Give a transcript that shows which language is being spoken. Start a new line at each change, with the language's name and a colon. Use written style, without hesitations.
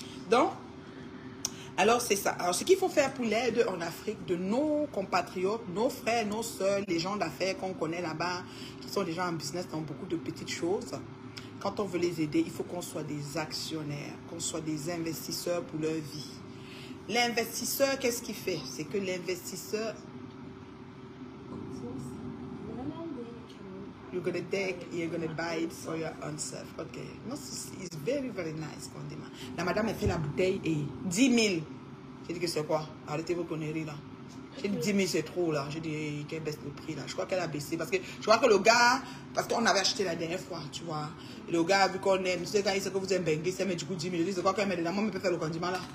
French: Donc, alors c'est ça. Alors, ce qu'il faut faire pour l'aide en Afrique de nos compatriotes, nos frères, nos soeurs, les gens d'affaires qu'on connaît là-bas, qui sont déjà en business dans beaucoup de petites choses, quand on veut les aider, il faut qu'on soit des actionnaires, qu'on soit des investisseurs pour leur vie. L'investisseur, qu'est-ce qu'il fait? C'est que l'investisseur...
English: You're gonna take, you're gonna buy it for your own self. Ok. Non, it's very, very nice, Condima.
French: La madame, elle fait la bouteille et 10 000. J'ai dit que c'est quoi? Arrêtez vos conneries là. J'ai dit 10 000, c'est trop là. J'ai dit qu'elle baisse le prix là. Je crois qu'elle a baissé parce que je crois que le gars, parce qu'on avait acheté la dernière fois, tu vois. Et le gars, vu qu'on aime, tu sais, quand il sait que vous aimez bengué, c'est mais du coup 10 000. Je dis, c'est quoi qu'elle met dedans? Moi, je peux faire le condiment là.